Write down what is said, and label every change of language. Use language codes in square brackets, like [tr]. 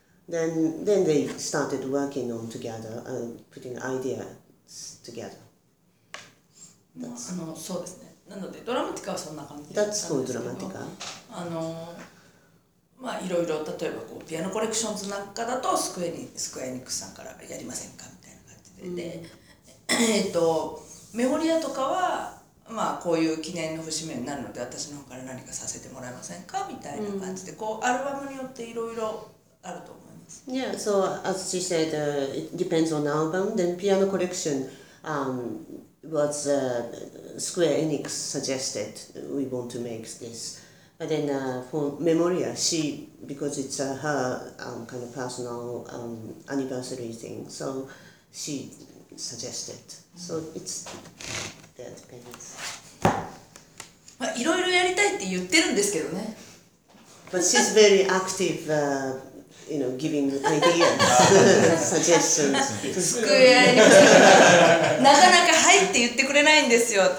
[en] Then they started working on together and putting ideaTogether. [ja] あの、そうですね。なのでドラマティカはそんな感じだったんですけど、 [en] That's for Dramatica. [ja] あの、まあいろいろ、例えばこうピアノコレクションズなんかだとスクエニックスさんからやりませんかみたいな感じで、で、メモリアとかはまあこういう記念の節目になるので私の方から何かさせてもらえませんかみたいな感じで、こうアルバムによっていろいろあると思う。 [en] Yeah, so as she said, it depends on album. Then Piano Collection was Square Enix suggested we want to make this. But then for Memoria, she, because it's her kind of personal anniversary thing, so she suggested. So it's that depends. [ja] まあ、いろいろやりたいって言ってるんですけどね。 [en] But she's very active. You know, giving ideas, suggestions. [ja] スクエアに、なかなかはいって言ってくれないんですよ。